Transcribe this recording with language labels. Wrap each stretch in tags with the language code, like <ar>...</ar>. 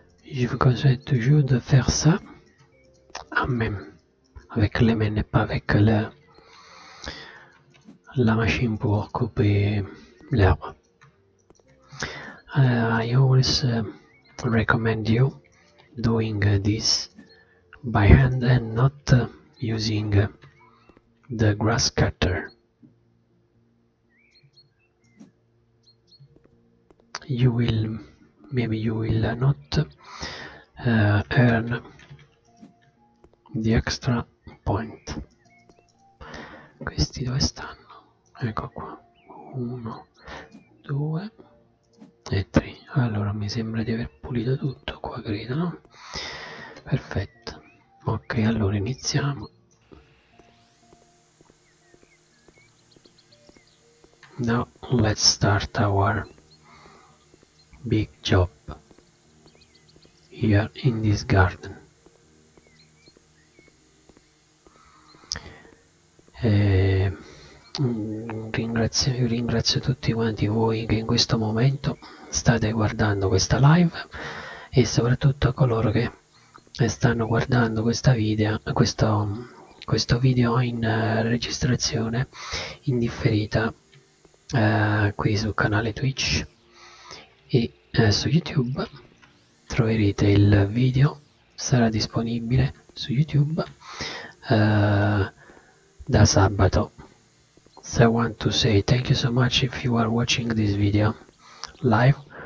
<fr>Je vous conseille toujours de faire ça à même. Avec les mains et pas avec la machine pour couper l'herbe.</fr> <en>I always recommend you doing this by hand and not using the grass cutter. Maybe you will not earn the extra point.</en> <it>Questi dove stanno? Ecco qua. Uno, due e tre. Allora mi sembra di aver pulito tutto qua, credo, no? Perfetto. Ok, allora iniziamo.</it> <en>Now let's start our big job here in this garden.</en> <it>Ringrazio tutti quanti voi che in questo momento state guardando questa live e soprattutto a coloro che stanno guardando questo video in registrazione in differita qui sul canale Twitch e su YouTube. Troverete il video, sarà disponibile su YouTube da sabato.</it> <en>So I want to say thank you so much if you are watching this video live</en>